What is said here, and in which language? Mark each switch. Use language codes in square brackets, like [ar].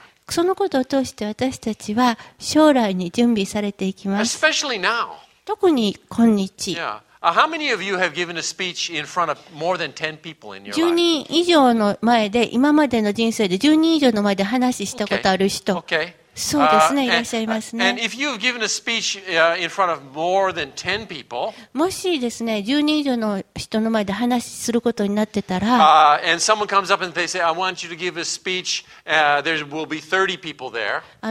[ja] そのことを通して私たちは将来に準備されていきます。 [en] Especially now. [ja] 特に今日。 [en] How many of you have given a speech in front of more than 10 people in your life? [ja] 10人以上の前で、今までの人生で10人以上の前で話したことある人。 [en] Okay. Okay. [ja] そうですね、いらっしゃいますね。 [en] And if you've given a speech in front of more than 10 people, [ja] もしですね、10人以上の人の前で話することになってたら、 [en] and someone comes up and they say, I want you to give a speech, there will be 30 people there.